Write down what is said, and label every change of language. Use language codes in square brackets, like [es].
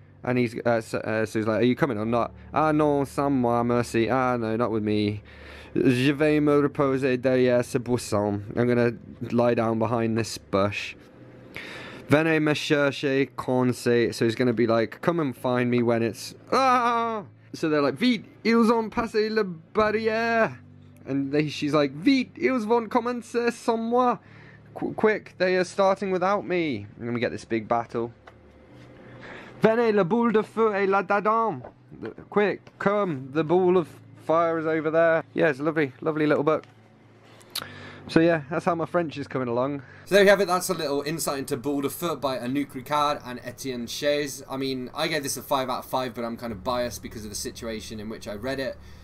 [en] And he's like, are you coming or not? [fr] Ah non, sans moi, merci. [en] Ah no, not with me. [fr] Je vais me reposer derrière ce buisson. [en] I'm going to lie down behind this bush. [fr] Venez me chercher quand c'est. [en] So he's going to be like, come and find me when it's... Ah! So they're like, [fr] vite, ils ont passé la barrière. [en] And she's like, [fr] vite, ils vont commencer sans moi. [en] Quick, they are starting without me. I'm going to get this big battle. [fr] Venez, la boule de feu et la dadam. [en] Quick, come, the ball of fire is over there. Yeah, it's lovely, lovely little book. So yeah, that's how my French is coming along. So there you have it, that's a little insight into Boule de Feu by Anouk Ricard and Etienne Chaize. I mean, I gave this a 5 out of 5, but I'm kind of biased because of the situation in which I read it.